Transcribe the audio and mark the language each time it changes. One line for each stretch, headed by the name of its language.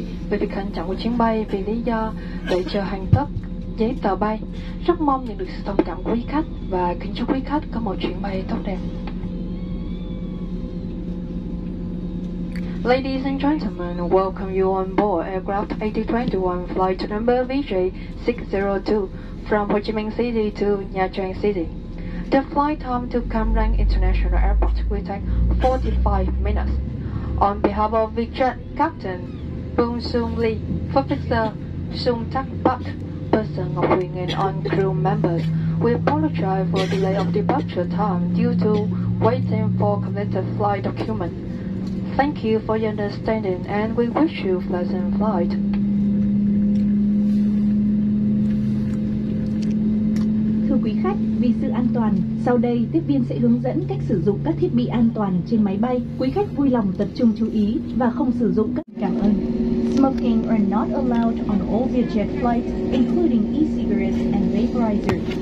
Vietnamese: Về việc hành trọng của chuyến bay vì lý do đợi chờ hoàn tất giấy tờ bay. Rất mong nhận được sự đồng cảm quý khách và kính chúc quý khách có một chuyến bay tốt đẹp.
English: Ladies and gentlemen, welcome you on board aircraft 8021 flight number VJ602 from Ho Chi Minh City to Nha Trang City. The flight time to Cam Ranh International Airport will take 45 minutes. On behalf of VJet Captain Boon Sung Lee, Professor Sung Tak Pak, Person of Wing and on crew members, we apologize for delay of departure time due to waiting for completed flight document. Thank you for your understanding and we wish you pleasant flight.
Vietnamese: Thưa quý khách, vì sự an toàn, sau đây tiếp viên sẽ hướng dẫn cách sử dụng các thiết bị an toàn trên máy bay. Quý khách vui lòng tập trung chú ý và không sử dụng các... Cảm ơn.
English: Smoking are not allowed on all VietJet flights, including e-cigarettes and vaporizers.